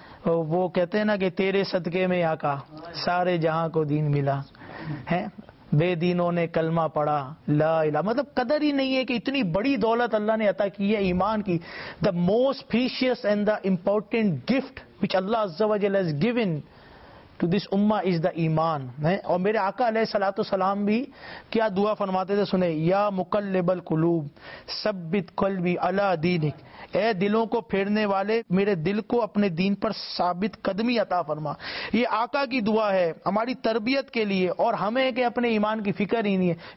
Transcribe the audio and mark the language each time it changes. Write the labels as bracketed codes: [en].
[ur] وہ کہتے ہیں نا کہ تیرے صدقے میں آقا سارے جہاں کو دین ملا ہے, بے دینوں نے کلمہ پڑھا لا الہ, مطلب قدر ہی نہیں ہے کہ اتنی بڑی دولت اللہ نے عطا کی ہے ایمان کی. [en] The most precious and the important gift which Allah عز و جل has given to this ummah is the ایمان. [ur] اور میرے آقا علیہ السلام بھی کیا دعا فرماتے تھے, سنیں, [ar] یا مقلب القلوب ثبت قلبی علی دینک, [ur] اے دلوں کو پھیرنے والے میرے دل کو اپنے دین پر ثابت قدمی عطا فرما. یہ آقا کی دعا ہے ہماری تربیت کے لیے, اور ہمیں کہ اپنے ایمان کی فکر ہی نہیں ہے.